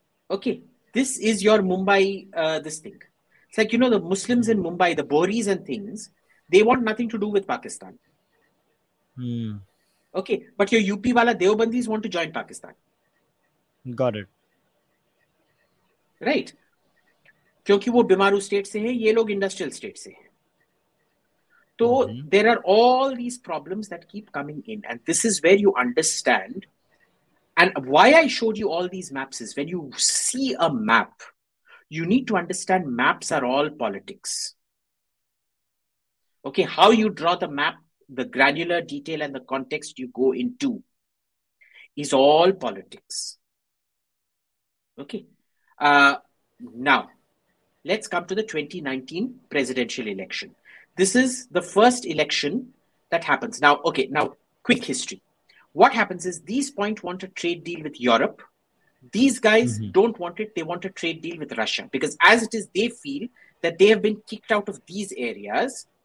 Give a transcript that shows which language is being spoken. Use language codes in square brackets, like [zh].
[en] Okay, this is your Mumbai, this thing. It's like, you know, the Muslims in Mumbai, the Bohries and things, they want nothing to do with Pakistan. Okay, but your UP wala Deobandis want to join Pakistan. Got it. Right? [hi] क्योंकि वो बीमारू state से हैं, ये लोग industrial state से हैं. [en] तो there are all these problems that keep coming in, and this is where you understand. And why I showed you all these maps is when you see a map you need to understand maps are all politics. Okay, how you draw the map, the granular detail and the context you go into is all politics. Okay, now let's come to the 2019 presidential election. This is the first election that happens. Now, okay, now quick history. What happens is these point want a trade deal with Europe. These guys don't want it. They want a trade deal with Russia because as it is, they feel that they have been kicked out of these areas.